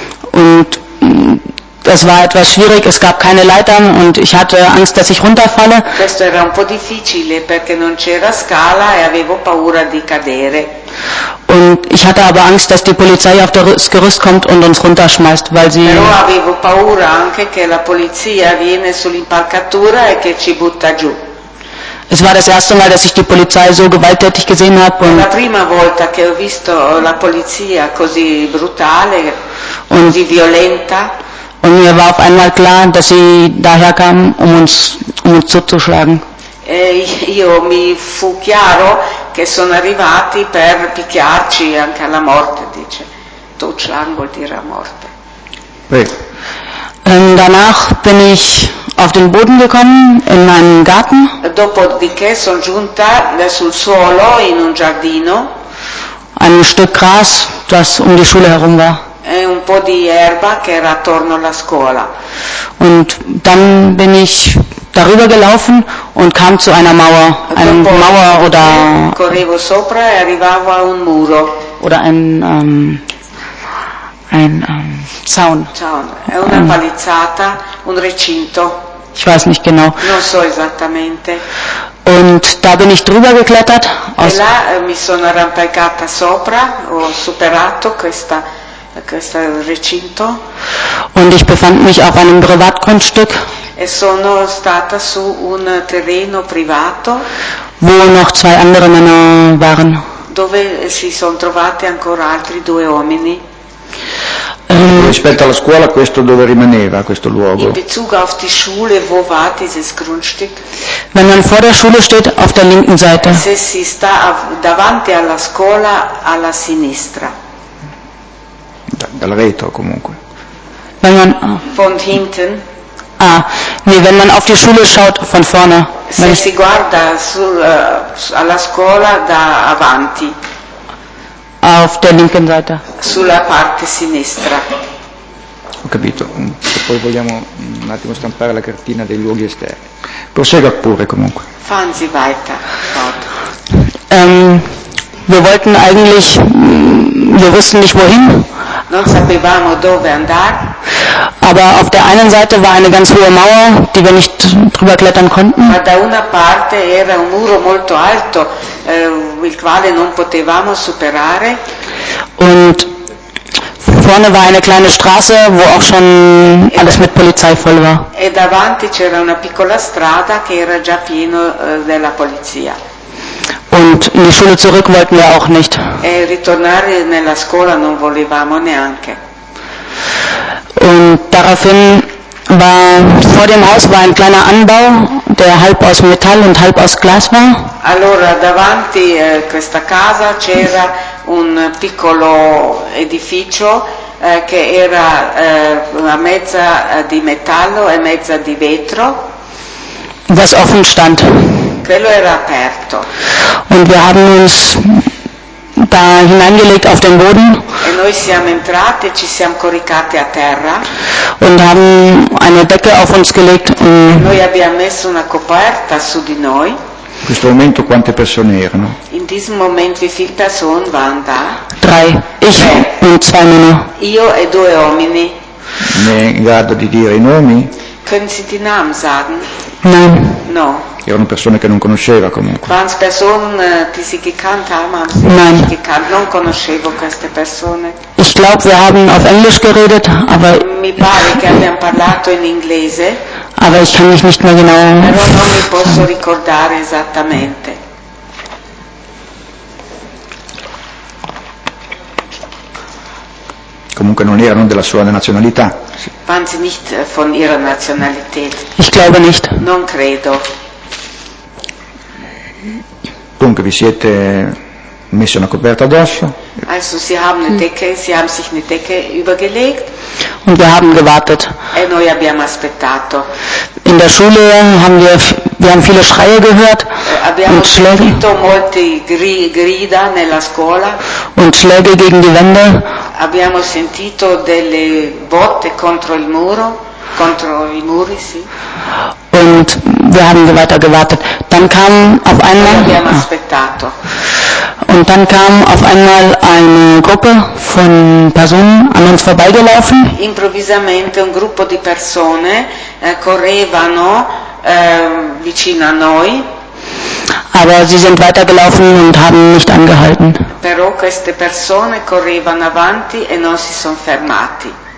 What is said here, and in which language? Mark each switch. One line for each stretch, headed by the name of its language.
German: Und das war etwas schwierig, es gab keine Leitern und ich hatte Angst, dass ich runterfalle.
Italian: Questo era un po' difficile perché non c'era scala e avevo paura di cadere.
German: Und ich hatte aber Angst, dass die Polizei auf das Gerüst kommt und uns runterschmeißt, weil sie...
Italian: Però avevo paura anche che la polizia viene sull'impalcatura e che ci butta giù.
German: Es war das erste Mal, dass ich die Polizei so gewalttätig gesehen habe.
Italian: Und la prima volta che ho visto la polizia così brutale, così violenta.
German: Und mir war auf einmal klar, dass sie daher kam, um uns zuzuschlagen.
Italian: Io mi fu chiaro che sono arrivati per picchiarci anche alla morte, dice. Totschlagen vuol dire a morte.
German: Danach bin ich auf den Boden gekommen, in meinen Garten.
Italian: Dopodiché sono giunta sul suolo in un giardino.
German: Ein Stück Gras, das die Schule herum war.
Italian: E un po' di erba che era attorno alla scuola.
German: Und dann bin ich darüber gelaufen und kam zu einer Mauer, einem Mauer oder
Italian: correvo sopra e arrivavo a un muro
German: oder ein Zaun. Zaun.
Italian: È una palizzata, un recinto.
German: Ich weiß nicht genau.
Italian: Non so esattamente.
German: Und da bin ich drüber geklettert.
Italian: E là mi sono arrampicata sopra, ho superato questo recinto.
German: Und ich befand mich auf einem Privatgrundstück.
Italian: E sono stata su un terreno privato.
German: Wo noch zwei andere Männer waren.
Italian: Dove si sono trovate ancora altri due uomini. Rispetto alla scuola, questo dove rimaneva, questo luogo?
German: In Bezug auf die Schule, wo war dieses Grundstück? Wenn man vor der Schule steht, auf der linken Seite.
Italian: Se si sta davanti alla scuola, alla sinistra. Dal retro, comunque.
German: Wenn man, von hinten. Ah, nee, wenn man auf die Schule schaut, von vorne.
Italian: se si guarda sul, alla scuola da avanti.
German: Auf der linken Seite.
Italian: Sulla parte sinistra. Ho capito. Se poi vogliamo un attimo stampare la cartina dei luoghi esterni. Prosegua pure comunque.
German: Fahren Sie weiter. Dort. Wir wollten eigentlich, wir wussten nicht wohin.
Italian: Non sapevamo dove andare.
German: Aber auf der einen Seite war eine ganz hohe Mauer, die wir nicht drüber klettern konnten.
Italian: Ma da una parte era un muro molto alto, il quale non potevamo superare.
German: Und vorne war eine kleine Straße, wo auch schon alles mit Polizei voll war.
Italian: E davanti c'era una piccola strada che era già pieno della polizia.
German: Und in die Schule zurück wollten wir auch nicht.
Italian: E ritornare nella scuola non volevamo neanche.
German: Und daraufhin war vor dem Haus war ein kleiner Anbau, der halb aus Metall und halb aus Glas war.
Italian: Allora davanti questa casa c'era un piccolo edificio che era una mezza di metallo e mezza di vetro.
German: Das offen stand.
Italian: Quello era aperto.
German: Und wir haben uns da hineingelegt auf den Boden.
Italian: E noi siamo entrati, ci siamo coricati a terra.
German: Und haben eine Decke auf uns gelegt.
Italian: Noi abbiamo messo una coperta su di noi. In questo momento quante persone erano?
German: In diesem Moment wie viele Personen waren da? Drei. Ich und zwei Männer.
Italian: Io e due uomini. Ne in grado di dire i nomi?
German: Können Sie die Namen sagen? Nein.
Italian: No. Erano persone che non conosceva comunque.
German: Waren Personen, die sie gekannt haben? Nein.
Italian: Non conoscevo queste persone.
German: Ich glaube, wir haben auf Englisch geredet, aber.
Italian: Mi pare che abbiamo parlato in inglese.
German: Aber ich kann mich nicht mehr genau.
Italian: Però non mi posso ricordare esattamente. Comunque non erano della sua nazionalità.
German: Waren sie nicht von ihrer Nationalität? Ich glaube nicht.
Italian: Non credo. Dunque vi siete messi una coperta addosso.
German: Also sie haben eine Decke, sie haben sich eine Decke übergelegt. Und wir haben gewartet.
Italian: E noi abbiamo aspettato.
German: In der Schule haben wir haben viele Schreie gehört.
Italian: Abbiamo sentito molte grida nella scuola.
German: Und Schläge gegen die Wände.
Italian: Abbiamo sentito delle botte contro il muro, contro i muri, sì.
German: Und wir haben weiter gewartet. Dann kam auf einmal.
Italian: Abbiamo aspettato.
German: Und dann kam auf einmal eine Gruppe von Personen an uns vorbeigelaufen.
Italian: Improvvisamente un gruppo di persone correvano vicino a noi.
German: Aber sie sind weitergelaufen und haben nicht angehalten.
Italian: Però queste persone correvano avanti e non si sono fermati.